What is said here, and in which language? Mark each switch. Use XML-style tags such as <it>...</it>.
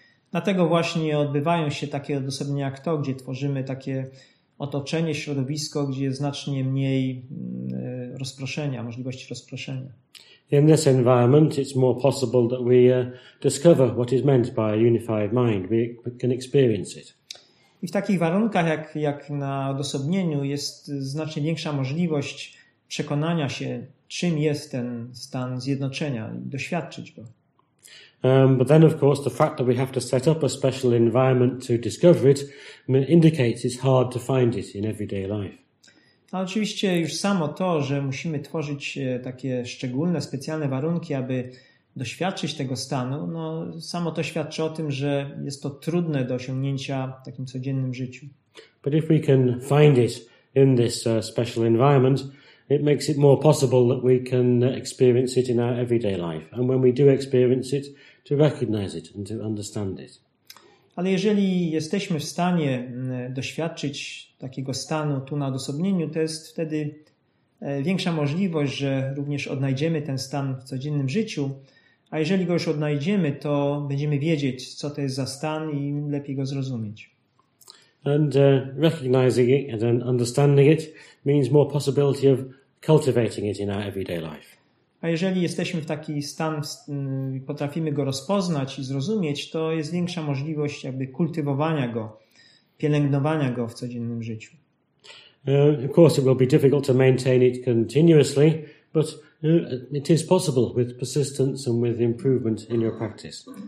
<pl>Dlatego właśnie odbywają się takie odosobnienia jak to, gdzie tworzymy takie otoczenie, środowisko, gdzie jest znacznie mniej rozproszenia, możliwości rozproszenia.</pl> <en>In this environment it's more possible that we discover what is meant by a unified mind. We can experience it.</en> <pl>I w takich warunkach jak na odosobnieniu jest znacznie większa możliwość przekonania się, czym jest ten stan zjednoczenia i doświadczyć go.</pl> <en>But then of course the fact that we have to set up a special environment to discover it indicates it's hard to find it in everyday life.</en> <pl>A oczywiście już samo to, że musimy tworzyć takie szczególne, specjalne warunki, aby doświadczyć tego stanu, no samo to świadczy o tym, że jest to trudne do osiągnięcia w takim codziennym życiu.</pl> <en>But if we can find it in this special environment, it makes it more possible that we can experience it in our everyday life. And when we do experience it, to recognize it and to understand it.</en> <pl>Ale jeżeli jesteśmy w stanie doświadczyć takiego stanu tu na odosobnieniu, to jest wtedy większa możliwość, że również odnajdziemy ten stan w codziennym życiu. A jeżeli go już odnajdziemy, to będziemy wiedzieć, co to jest za stan i lepiej go zrozumieć.</pl> <en>And recognizing it and then understanding it means more possibility of cultivating it in our everyday life.</en> <pl>A jeżeli jesteśmy w taki stan i potrafimy go rozpoznać i zrozumieć, to jest większa możliwość jakby kultywowania go, pielęgnowania go w codziennym życiu.</pl> <en>Of course it will be difficult to maintain it continuously, but it is possible with persistence and with improvement in your practice.</en>